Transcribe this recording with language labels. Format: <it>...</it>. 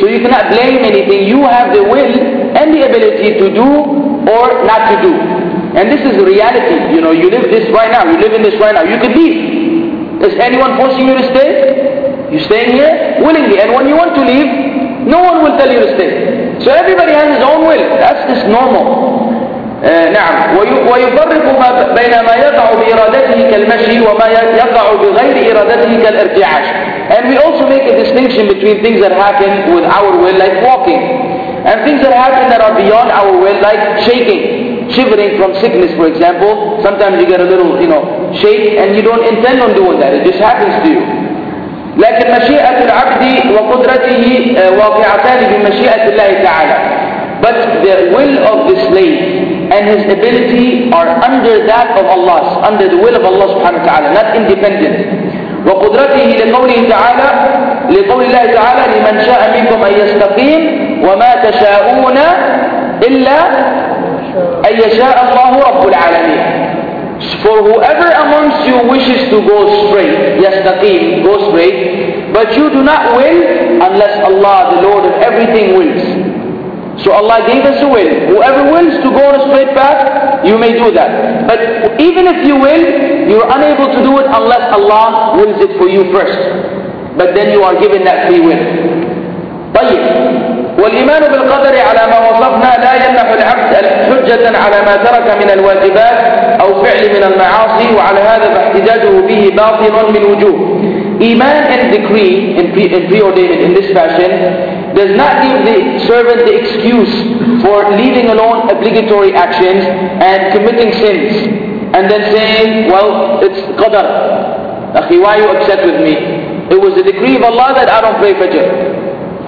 <en>So you cannot blame anything. You have the will and the ability to do or not to do. And this is reality. You know, you live this right now. You live in this right now. You could leave. Is anyone forcing you to stay? You're staying here willingly. And when you want to leave, no one will tell you to stay. So everybody has his own will. That's just normal. نعم.</en> <ar>ويفرق ما بين ما يقع بإرادته كالمشي وما يقع بغير إرادته كالارتعاش.</ar> <en>And we also make a distinction between things that happen with our will, like walking, and things that happen that are beyond our will, like shaking, shivering from sickness, for example. Sometimes you get a little, you know, shake, and you don't intend on doing that. It just happens to you.</en> <ar>لكن مشيئة العبد وقدرته واقعتان بمشيئة الله تعالى.</ar> <en>But the will of the slave and his ability are under that of Allah, under the will of Allah subhanahu wa ta'ala, not independent.</en> <ar>وقدرته لقوله تعالى لقول الله تعالى لمن شاء منكم أن يستقيم وما تشاءون إلا أن يشاء الله رب العالمين.</ar> <en>For whoever amongst you wishes to go straight, يستقيم, go straight, but you do not will unless Allah, the Lord of everything, wills. So Allah gave us a will. Whoever wills to go on a straight path, you may do that. But even if you will, you are unable to do it unless Allah wills it for you first. But then you are given that free will.</en> <ar>طيب. والإيمان بالقدر على ما وصفنا لا يمنح العبد حجة على ما ترك من الواجبات أو فعل من المعاصي وعلى هذا فاحتجاجه به باطل من وجوه.</ar> <en>Iman and decree in preordained in this fashion does not give the servant the excuse for leaving alone obligatory actions and committing sins and then saying, well, it's qadr. Akhi, why are you upset with me? It was the decree of Allah that I don't pray fajr.</en>